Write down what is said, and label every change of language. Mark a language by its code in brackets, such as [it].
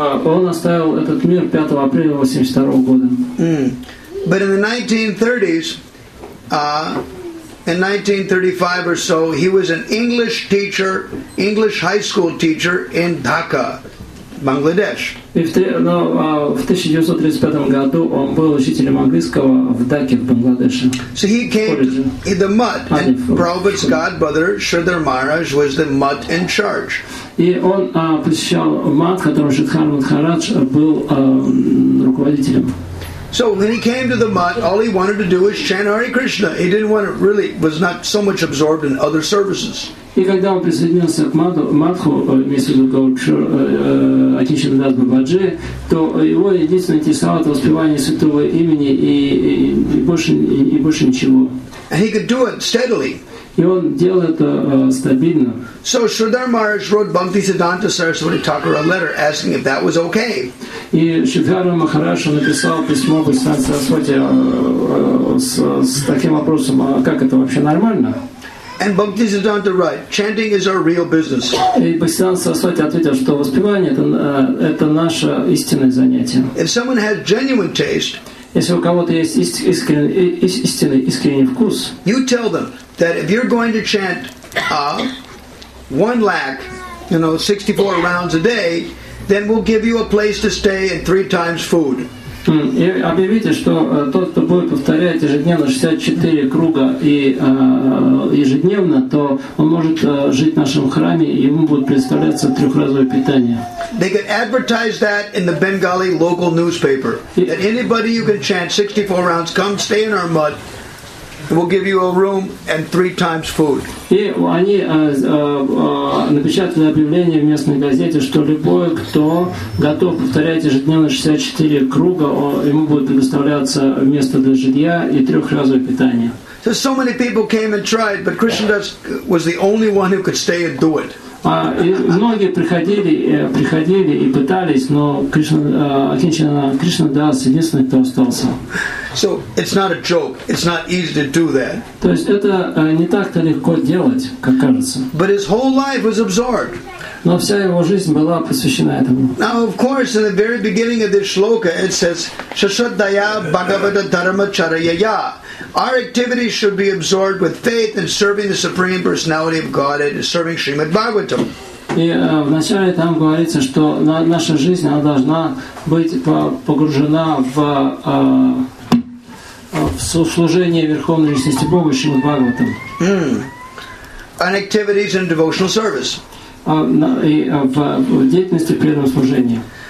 [ru] Он оставил этот мир 5 апреля 82 года. [en] But in the 1930s, in 1935 or so, he was an English teacher, English high school teacher in Dhaka, Bangladesh. [ru] И в 1935 году он был учителем английского в Дхаке, в Бангладеше. [en] So he came in the mud, and Prabhupada's godbrother, Shridhar Maharaj, was the mud in charge. [ru] И он посещал мат, которым Шридхар Мадхарадж был руководителем. [en] So when he came to the mat, all he wanted to do was chant Hare Krishna. He didn't want to really, was not so much absorbed in other services. [ru] И когда он присоединился к матху, вместе с Акинчан Дас Бабаджи, то его единственное интересовало это воспевание святого имени и больше ничего. [en] And he could do it steadily. [ru] И он делал это стабильно. [en] So Shridhar Maharaj wrote Bhakti Siddhanta Saraswati Thakur a letter asking if that was okay. [ru] И Шридхар Махарадж написал письмо Бхактисиддханте Сарасвати с таким вопросом, а как это вообще нормально? [en] And Bhakti Siddhanta wrote, chanting is our real business. [ru] И Бхактисиддханте Сарасвати ответил, что воспевание это наше истинное занятие. [en] If someone has genuine taste, [ru] если у кого-то есть искренний вкус, [en] you tell them that if you're going to chant 1 lakh, you know, 64 rounds a day, then we'll give you a place to stay and 3 times food. [ru] И объявите, что тот, кто будет повторять ежедневно 64 круга и ежедневно, то он может жить в нашем храме, и ему будет предоставляться трехразовое питание. [en] They could advertise that in the Bengali local newspaper. That anybody you can chant 64 rounds, come stay in our mud. We'll give you a room and 3 times food. [ru] И они напечатали объявление в местной газете, что любой, кто готов повторять ежедневно 64 круга, ему будет предоставляться место для жилья и трехразовое питание. [en] So many people came and tried, but Krishnadas was the only one who could stay and do it. [ru] Многие приходили и пытались, но Кришнадас единственный, кто остался. [en] So it's not a joke. It's not easy to do that. [ru] То есть это не так-то легко делать, как кажется. [en] But his whole life was absorbed. [ru] Но вся его жизнь была посвящена этому. [en] Now, of course, in the very beginning of this shloka, it says, [sa] "Shashadaya Bhagavata Dharma Charayaya." [en] Our activities should be absorbed with faith and serving the Supreme Personality of God and serving Srimad Bhagavatam. [ru] И вначале там говорится, что наша жизнь она должна быть погружена в служение Верховной Личности Бога Шримад Бхагаватам. [en] And activities in devotional service. [ru] И в деятельности преданного служения.